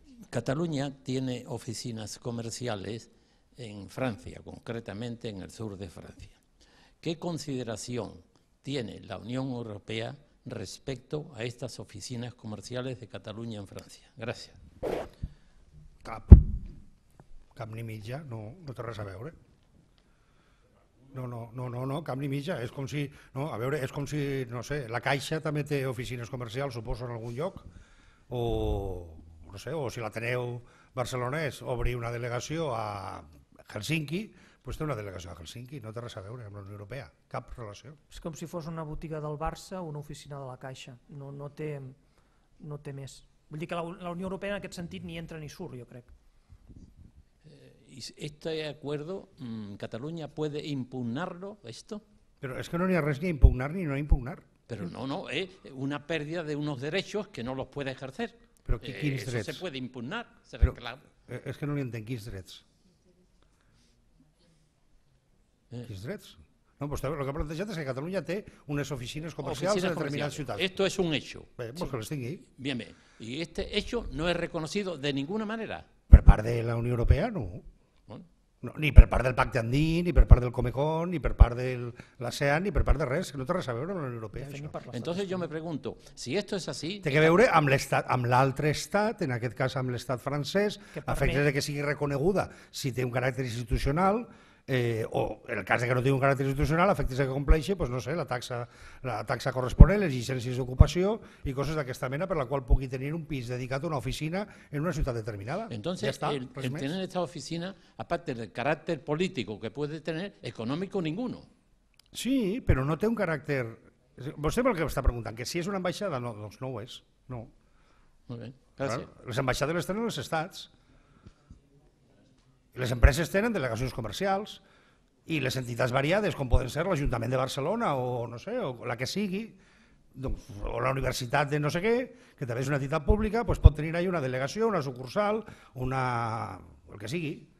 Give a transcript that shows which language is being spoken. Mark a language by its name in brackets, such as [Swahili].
[Spanish] Cataluña tiene oficinas comerciales en Francia, concretamente en el sur de Francia. ¿Qué consideración tiene la Unión Europea respecto a estas oficinas comerciales de Cataluña en Francia? Gracias. [Catalan] Cap. Cap ni mitja, no té res a veure. No, cap ni mitja, és com si, no, a veure, és com si, no sé, la Caixa també té oficines comercials, suposo, en algun lloc, o no sé, o si l'Ateneu barcelonès obri una delegació a Helsinki, pues té una delegació a Helsinki, no té res a veure amb la Unió Europea, cap relació. És com si fos una botiga del Barça o una oficina de la Caixa, no té més. Vull dir que la Unió Europea en aquest sentit ni entra ni surt, jo crec. [Spanish] Este acuerdo, Cataluña puede impugnarlo, esto. Pero es que no hay res ni a impugnar ni no a impugnar. Pero no, es una pérdida de unos derechos que no los puede ejercer. [Catalan] Pero quins drets? [Spanish] Se puede impugnar, se reclama. [Catalan] Es que no li entenc quins drets. Quins drets? No, pues lo que ha plantejat és que Catalunya té unes oficines comercials en determinades ciutats. [Spanish] Esto es un hecho. [Catalan] Pues que les tingui. [Spanish] Bien, bien. Y este hecho no es reconocido de ninguna manera. [Catalan] Per part de la Unió Europea, no. No, ni per part del Pacte Andí, ni per part del Comecon, ni per part de l'ASEAN, ni per part de res, que no té res a veure amb la Unió Europea. [Spanish] Entonces yo me pregunto, si esto es así... [Catalan] Té que veure amb l'estat, amb l'altre estat, en aquest cas amb l'estat francès, a efectes de que sigui reconeguda, si té un caràcter institucional, o en el cas de que no tingui un caràcter institucional, a efectes de que compleixi, pues no sé, la taxa corresponent, les llicències d'ocupació i coses d'aquesta mena per la qual pugui tenir un pis dedicat a una oficina en una ciutat determinada. [Spanish] Entonces, [Catalan] ja està, [Spanish] el tener esta oficina, aparte del caràcter polític que puede tener, económico ninguno. [Catalan] Sí, però no té un caràcter... Vostè el que està preguntant, que si és una ambaixada, no, doncs no ho és, no. Molt bé, gràcies. Però les ambaixades les tenen els estats. Les empreses tenen delegacions comercials i les entitats variades, com poden ser l'Ajuntament de Barcelona o no sé, o la que sigui, doncs, o la Universitat de no sé què, que també és una entitat pública, doncs pot tenir ahí una delegació, una sucursal, una... el que sigui.